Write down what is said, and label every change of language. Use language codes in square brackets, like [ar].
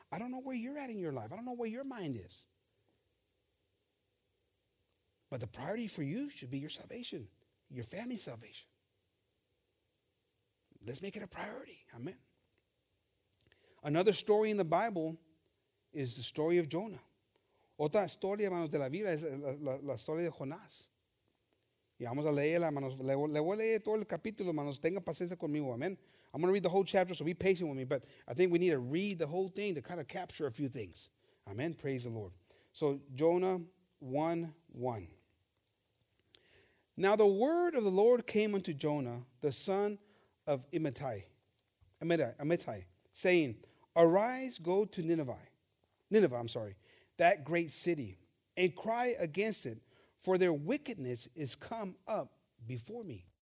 [en] I don't know where you're at in your life. I don't know where your mind is. But the priority for you should be your salvation, your family's salvation. Let's make it a priority. Amen. Another story in the Bible is the story of Jonah. [es] Otra historia, hermanos, de la Biblia es la historia de Jonás. Y vamos a leerla, hermanos. Le voy a leer todo el capítulo, hermanos. Tenga paciencia conmigo, amen. [en] I'm going to read the whole chapter, so be patient with me. But I think we need to read the whole thing to kind of capture a few things. Amen. Praise the Lord. So Jonah 1:1. Now the word of the Lord came unto Jonah, the son of Amittai, saying, arise, go to Nineveh, I'm sorry, that great city, and cry against it, for their wickedness is come up before me.